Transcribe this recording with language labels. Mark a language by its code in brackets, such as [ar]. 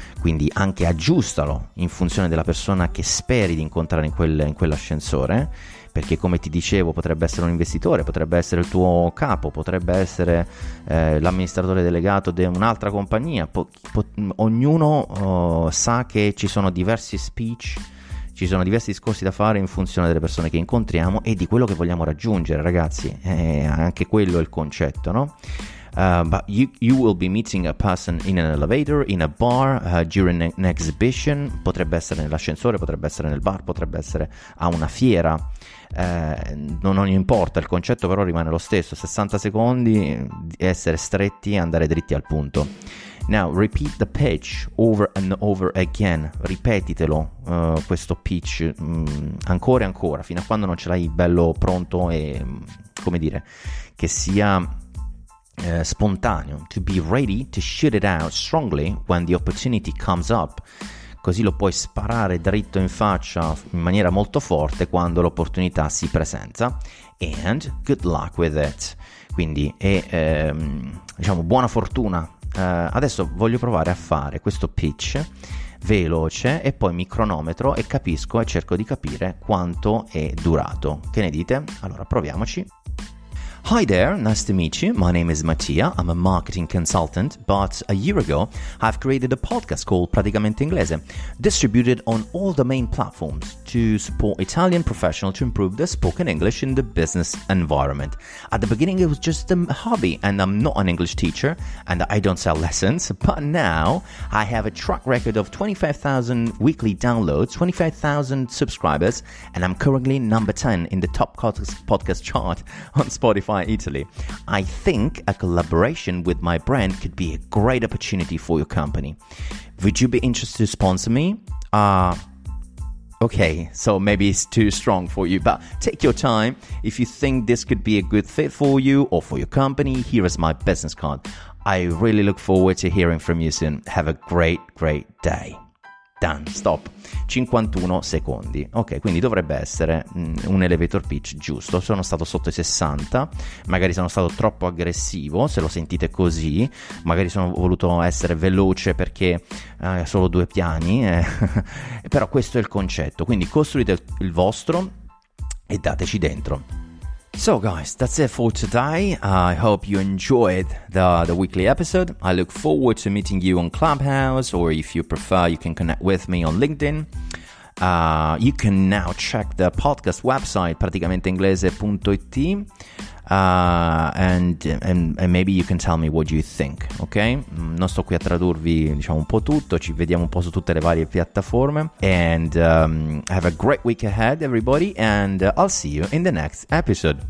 [it] Quindi anche aggiustalo in funzione della persona che speri di incontrare in quell'ascensore, perché come ti dicevo potrebbe essere un investitore, potrebbe essere il tuo capo, potrebbe essere l'amministratore delegato di un'altra compagnia. Ognuno sa che ci sono diversi speech, ci sono diversi discorsi da fare in funzione delle persone che incontriamo e di quello che vogliamo raggiungere, ragazzi. Anche quello è il concetto, no? [en] But you will be meeting a person in an elevator, in a bar, during an exhibition. [it] Potrebbe essere nell'ascensore, potrebbe essere nel bar, potrebbe essere a una fiera. Non importa, il concetto però rimane lo stesso. 60 secondi, essere stretti e andare dritti al punto. [en] Now, repeat the pitch over and over again. [it] Ripetitelo, questo pitch, ancora e ancora, fino a quando non ce l'hai bello pronto e, come dire, che sia [en] spontaneo, to be ready to shoot it out strongly when the opportunity comes up. [it] Così lo puoi sparare dritto in faccia in maniera molto forte quando l'opportunità si presenta. [en] And good luck with it. [it] Quindi è, diciamo, buona fortuna. Adesso voglio provare a fare questo pitch veloce e poi mi cronometro e capisco e cerco di capire quanto è durato. Che ne dite? Allora proviamoci. [en] Hi there, nice to meet you. My name is Mattia. I'm a marketing consultant, but a year ago, I've created a podcast called Praticamente Inglese, distributed on all the main platforms to support Italian professionals to improve their spoken English in the business environment. At the beginning, it was just a hobby, and I'm not an English teacher, and I don't sell lessons, but now I have a track record of 25,000 weekly downloads, 25,000 subscribers, and I'm currently number 10 in the top podcast chart on Spotify. Italy. I think a collaboration with my brand could be a great opportunity for your company. Would you be interested to sponsor me? Okay, so maybe it's too strong for you, but take your time. If you think this could be a good fit for you or for your company, here is my business card. I really look forward to hearing from you soon. Have a great, great day. Done. Stop. [it] 51 secondi. Ok, quindi dovrebbe essere un elevator pitch giusto. Sono stato sotto i 60, magari sono stato troppo aggressivo, se lo sentite così, magari sono voluto essere veloce perché solo due piani, però questo è il concetto. Quindi costruite il vostro e dateci dentro. [en] So guys, that's it for today. I hope you enjoyed the weekly episode. I look forward to meeting you on Clubhouse, or if you prefer, you can connect with me on LinkedIn. You can now check the podcast website, praticamenteinglese.it, and maybe you can tell me what you think, okay? [it] Non sto qui a tradurvi, diciamo, un po' tutto, ci vediamo un po' su tutte le varie piattaforme. [en] And have a great week ahead, everybody, and I'll see you in the next episode.